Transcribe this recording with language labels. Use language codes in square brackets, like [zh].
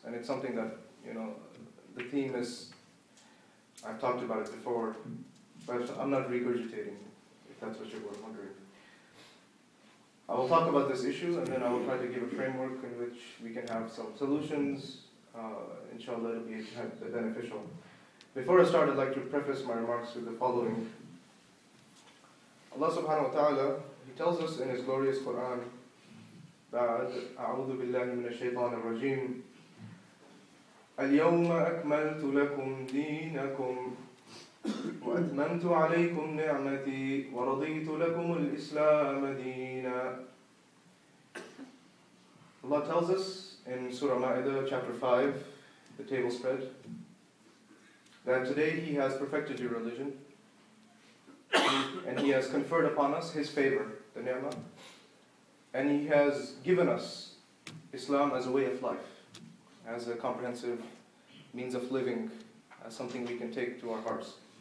[en] And it's something that, you know, the theme is, I've talked about it before, but I'm not regurgitating, if that's what you were wondering. I will talk about this issue, and then I will try to give a framework in which we can have some solutions. Inshallah, it will be beneficial. Before I start, I'd like to preface my remarks with the following. Allah subhanahu wa ta'ala, He tells us in His glorious Quran, [ar] بعد أعوذ بالله من الشيطان الرجيم اليوم أكملت لكم دينكم وأتممت عليكم نعمتي ورضيت لكم الإسلام دينا. [en] Allah tells us in Surah Ma'idah, chapter 5, the table spread, that today He has perfected your religion and He has conferred upon us His favor, the ni'mah, and He has given us Islam as a way of life, as a comprehensive means of living, as something we can take to our hearts.